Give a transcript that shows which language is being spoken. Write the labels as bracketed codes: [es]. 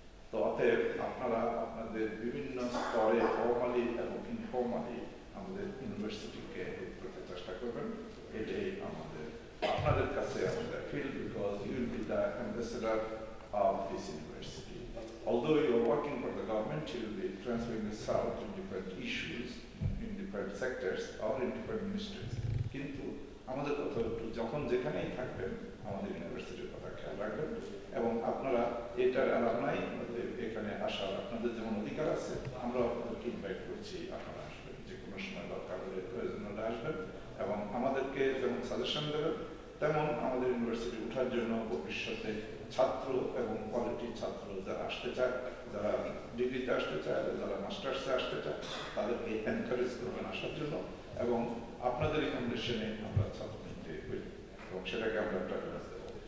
[bn] তো অতএব আপনারা আপনাদের বিভিন্ন স্তরে ফর্মালি এবং ইনফর্মালি আমাদের ইউনিভার্সিটিকে হেল্প করতে চেষ্টা করবেন, এটাই আমাদের আপনাদের কাছে আমাদের feel, [en] Because you will be the ambassador of this university. Although you are working for the government, you will be transferring yourself to different issues in different sectors or in different ministries. [bn] কিন্তু আমাদের কথা হচ্ছে যখন যেখানেই থাকবেন আমাদের ইউনিভার্সিটির কথা খেয়াল রাখবেন এবং আপনারা এটার অ্যালামনাই এখানে আসার আপনাদের যেমন অধিকার আছে, আমরাও আপনাদেরকে ইনভাইট করছি আপনারা আসবেন, যে কোনো সময় দরকার হলে প্রয়োজন হলে আসবেন এবং আমাদেরকে যেমন সাজেশন দেবেন তেমন আমাদের ইউনিভার্সিটি উঠার জন্য ভবিষ্যতে ছাত্র এবং কোয়ালিটির ছাত্র যারা আসতে চায়, যারা ডিগ্রিতে আসতে চায়, যারা মাস্টার্সে আসতে চায়, তাদেরকে এনকারেজ করবেন আসার জন্য এবং আপনাদের রিকমেন্ডেশনে আমরা ছাত্র নিতে পারি এবং সেটাকে আমরা প্রেফারেন্স দেব।